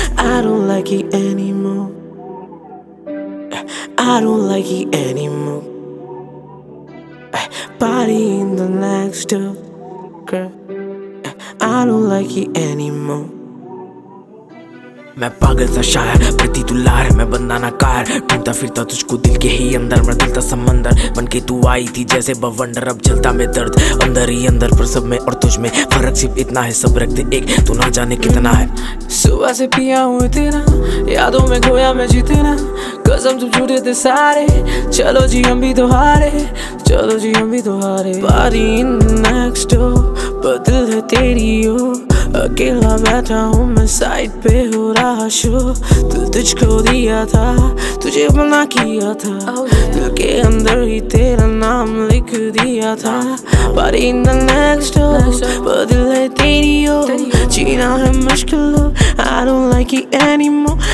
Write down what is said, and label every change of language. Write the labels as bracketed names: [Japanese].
[English] I don't like it anymore. I don't like it anymore. Body in the next door, girl. I don't like it anymore. [Hindi] मैं पागल सा शायर, प्रति तू लार, मैं बंदा ना कायर. ढूंढता फिरता तुझको दिल के ही अंदर, मैं दिलता समंदर बन के तू आई थी जैसे बवंडर. अब जलता मैं दर्द अंदर ही अंदर, पर सब में और तुझ में फर्क सिर्फ इतना है, सब रख दे एक, तू ना जाने कितना है. सुबह से पिया हूँ तेरा, यादों में खोया मैं जितना. कसम तुम झूठे थे सारे, चलो जी हम भी तो हारे, चलो जी हम भी तो हारे. [English] Body in the next door, [Hindi] पर दिल है तेरी ओ. अकेला बैठा हूँ मैं साइड पे हो रहा शो. दिल तुझको दिया था, तुझे अपना किया था. दिल के अंदर ही तेरा नाम लिख दिया था. [English] Body in the next door, [Hindi] पर दिल है तेरी ओ. जीना है मुश्किल, [English] I don't like it anymore.